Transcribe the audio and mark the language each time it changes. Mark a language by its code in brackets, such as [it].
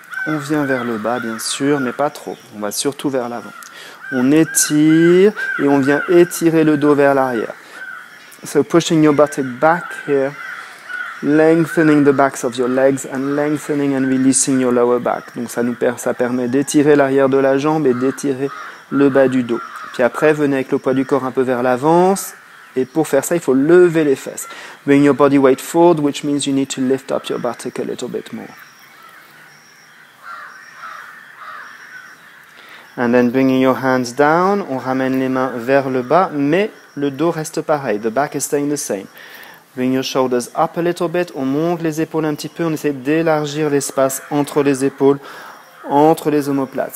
[fr] On vient vers le bas, bien sûr, mais pas trop. On va surtout vers l'avant. On étire et on vient étirer le dos vers l'arrière. [en] So pushing your buttock back here, lengthening the backs of your legs and lengthening and releasing your lower back. [fr] Donc ça permet d'étirer l'arrière de la jambe et d'étirer le bas du dos. Puis après, venez avec le poids du corps un peu vers l'avant. Et pour faire ça, il faut lever les fesses. [en] Bring your body weight forward, which means you need to lift up your buttock a little bit more. And then bringing your hands down, [fr] on ramène les mains vers le bas, mais le dos reste pareil. [en] The back is staying the same. Bring your shoulders up a little bit, [fr] on monte les épaules un petit peu, on essaie d'élargir l'espace entre les épaules, entre les omoplates.